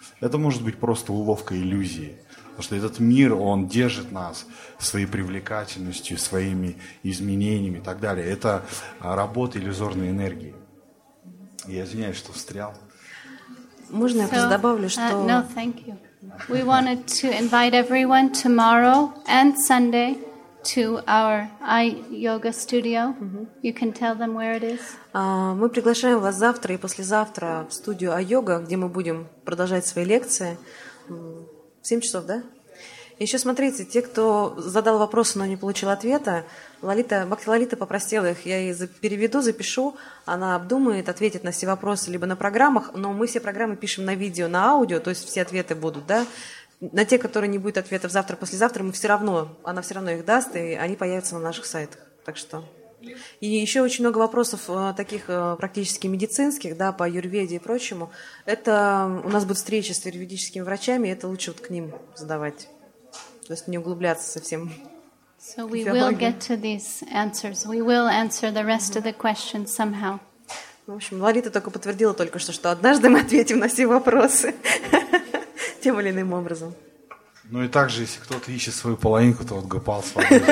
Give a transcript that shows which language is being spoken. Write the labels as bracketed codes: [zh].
[ru] Это может быть просто уловка иллюзии. Потому что этот мир, он держит нас своей привлекательностью, своими изменениями и так далее. Это работа иллюзорной энергии. Я извиняюсь, что встрял. Можно я просто добавлю, что... [en] No, thank you. We wanted to invite everyone tomorrow and Sunday to our iYoga studio. Mm-hmm. You can tell them where it is. [ru] Мы приглашаем вас завтра и послезавтра в студию iYoga, где мы будем продолжать свои лекции. В 7 часов, да? Еще смотрите, те, кто задал вопросы, но не получил ответа, Бхакти Лалита попросила их, я ей переведу, запишу, она обдумает, ответит на все вопросы либо на программах, но мы все программы пишем на видео, на аудио, то есть все ответы будут, да? На те, которые не будет ответов завтра, послезавтра, она все равно их даст, и они появятся на наших сайтах. Так что. И еще очень много вопросов таких практически медицинских, да, по аюрведе и прочему. Это у нас будет встреча с аюрведическими врачами, и это лучше вот к ним задавать. То есть не углубляться совсем. [en] So we will get to these answers. We will answer the rest of the questions somehow. [ru] В общем, Лолита только подтвердила только что однажды мы ответим на все вопросы. Тем или иным образом. Ну и также, если кто-то ищет свою половинку, то вот Гопал с вами.